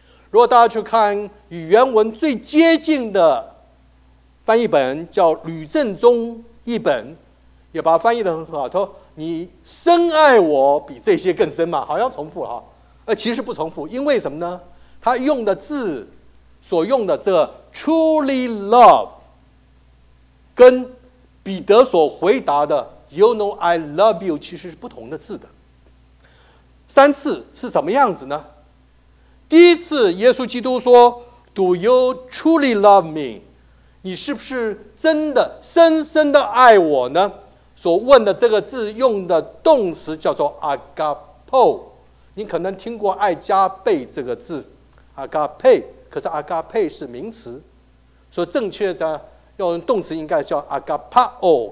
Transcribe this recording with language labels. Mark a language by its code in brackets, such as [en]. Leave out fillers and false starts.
[zh] 如果大家去看与原文最接近的翻译本，叫吕正宗译本，也把它翻译得很好，说你深爱我比这些更深嘛，好像重复哈，其实不重复。因为什么呢？他用的字所用的这 [en] truly love [zh] 跟彼得所回答的 [en] you know I love you [zh] 其实是不同的字的。三次是什么样子呢？第一次耶稣基督说 [en] do you truly love me? [zh] 你是不是真的深深的爱我呢？所问的这个字用的动词叫做 agapo， 你可能听过爱加倍这个字 agape， 可是 agape 是名词，所以正确的用动词应该叫 agapao。